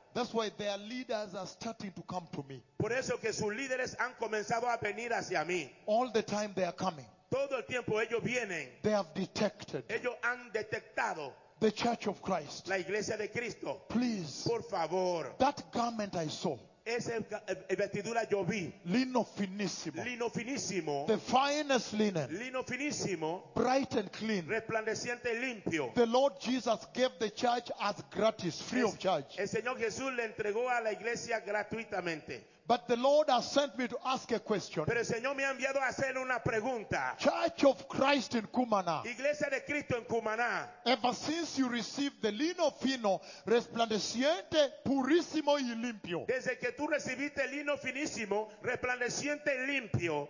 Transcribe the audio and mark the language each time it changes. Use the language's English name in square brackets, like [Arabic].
[English] That's why their leaders are starting to come to me. [Spanish] Por eso que sus líderes han comenzado a venir hacia mí. [English] All the time they are coming. [Spanish] Todo el tiempo ellos vienen. [English] They have detected. [Spanish] Ellos han detectado. [English] The Church of Christ. [Spanish] La Iglesia de Cristo. [English] Please. [Spanish] Por favor. [English] That garment I saw. [Spanish] Ese vestidura yo vi. Lino finísimo. Lino finísimo. [English] The finest linen. [Spanish] Lino finísimo. [English] Bright and clean. [Spanish] Resplandeciente y limpio. [English] The Lord Jesus gave the church as gratis, free of charge. [Spanish] El Señor Jesús le entregó a la iglesia gratuitamente. [English] But the Lord has sent me to ask a question. [Spanish] Pero el Señor me ha enviado a hacer una pregunta. [English] Church of Christ in Cumaná. [Spanish] Iglesia de Cristo en Cumaná. [English] Ever since you received the [Spanish] lino fino, resplandeciente, purísimo y limpio. Desde que tú recibiste el lino finísimo, resplandeciente y limpio.